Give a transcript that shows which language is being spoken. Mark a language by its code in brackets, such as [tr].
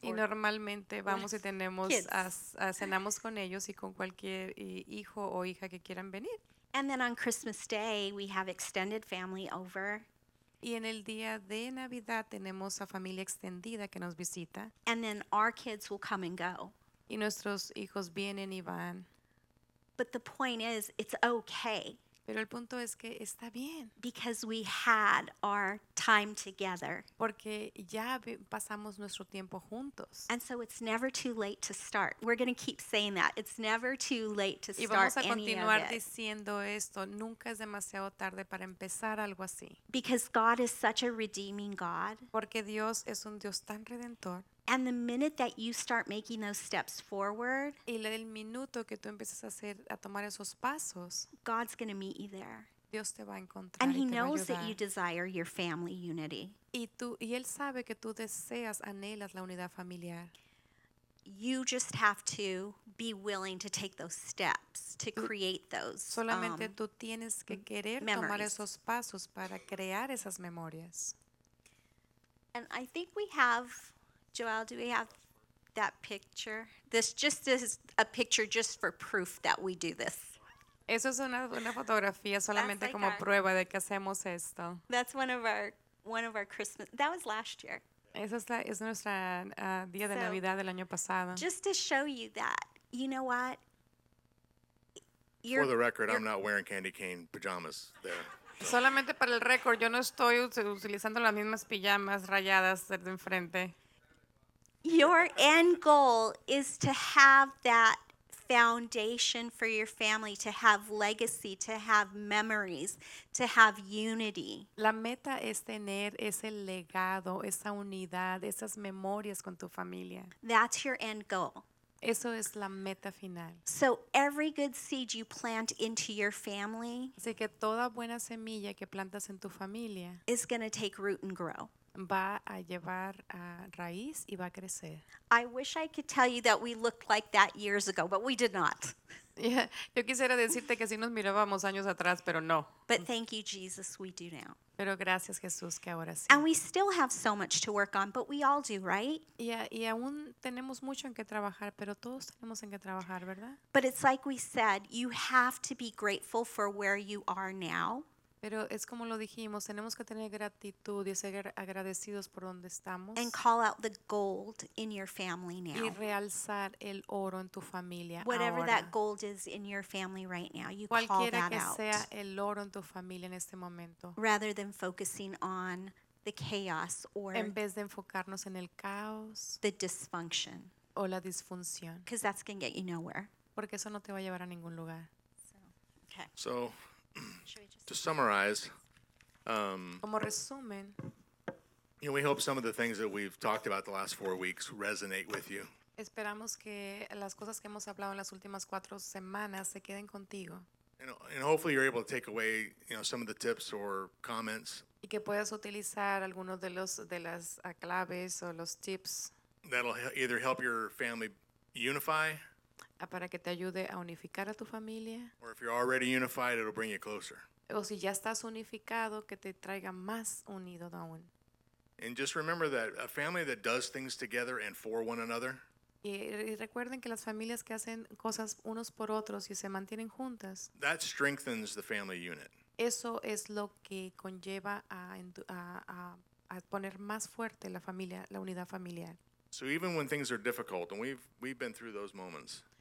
[es] Y normalmente vamos y tenemos a cenamos con ellos y con cualquier hijo o hija que quieran venir. [en] And then on Christmas Day we have extended family over. [es] Y en el día de Navidad tenemos a familia extendida que nos visita. [en] And then our kids will come and go. [es] Y nuestros hijos vienen y van. [en] But the point is, it's okay. [es] Pero el punto es que está bien. [en] Because we had our time together. [es] Porque ya pasamos nuestro tiempo juntos. [en] And so it's never too late to start. We're going to keep saying that. It's never too late to start any of it. [es] Y vamos a continuar diciendo esto. Nunca es demasiado tarde para empezar algo así. [en] Because God is such a redeeming God. [es] Porque Dios es un Dios tan redentor. [en] And the minute that you start making those steps forward, [es] y el minuto que tú empiezas a tomar esos pasos, [en] God's going to meet you there. [es] Dios te va a encontrar. [en] And he knows that you desire your family unity. [es] Y él sabe que tú deseas, anhelas la unidad familiar. [en] You just have to be willing to take those steps to create those. [es] Solamente tú tienes que querer tomar esos pasos para crear esas memorias. [en] And I think we have Joel, do we have that picture? This just is a picture just for proof that we do this. [es] Eso es una fotografía solamente like como prueba de que hacemos esto. [en] That's one of our Christmas. That was last year. [es] Eso es nuestra día de Navidad del año pasado. [en] Just to show you that, you know what? For the record, I'm not wearing candy cane pajamas there. [es] Solamente para el récord, yo no estoy utilizando las mismas pijamas rayadas de enfrente. [en] Your end goal is to have that foundation for your family, to have legacy, to have memories, to have unity. [es] La meta es tener ese legado, esa unidad, esas memorias con tu familia. [en] That's your end goal. [es] Eso es la meta final. [en] So every good seed you plant into your family, [es] así que toda buena semilla que plantas en tu familia, [en] is going to take root and grow. [es] Va a llevar a raíz y va a crecer. [en] I wish I could tell you that we looked like that years ago, but we did not. [es] Yeah, yo quisiera decirte que sí nos mirábamos años atrás, pero no. [en] But thank you, Jesus, we do now. [es] Pero gracias, Jesús, que ahora sí. [en] And we still have so much to work on, but we all do, right? [es] Yeah, y aún tenemos mucho en que trabajar, pero todos tenemos en que trabajar, ¿verdad? [en] But it's like we said, you have to be grateful for where you are now. [es] Pero es como lo dijimos, tenemos que tener gratitud y ser agradecidos por donde estamos. [en] And call out the gold in your family now. [es] Y realzar el oro en tu familia. [en] Whatever [es] ahora. [en] That gold is in your family right now, you [es] cualquiera [en] call that [es] que [en] out. [es] Sea el oro en tu familia en este momento. [en] Rather than focusing on the chaos or [es] en vez de enfocarnos en el caos, [en] the dysfunction. [es] O la disfunción. [en] Because that's going to get you nowhere. [es] Porque eso no te va a llevar a ningún lugar. [en] So to summarize, [es] como resumen, [en] you know, we hope some of the things that we've talked about the last 4 weeks resonate with you. [es] Esperamos que las cosas que hemos hablado en las últimas cuatro semanas se queden contigo. [en] And hopefully you're able to take away, you know, some of the tips or comments. [es] Y que puedas utilizar algunos de las claves o los tips. [en] That'll either help your family unify. [es] Para que te ayude a unificar a tu familia. [en] Or if you're already unified, it'll bring you closer. [es] O si ya estás unificado, que te traiga más unido aún. [en] And just remember that a family that does things together and for one another. [es] Y recuerden que las familias que hacen cosas unos por otros y se mantienen juntas. [en] That strengthens the family unit. [es] Eso es lo que conlleva a poner más fuerte la familia, la unidad familiar. [en] So even when things are difficult, and we've been through those moments.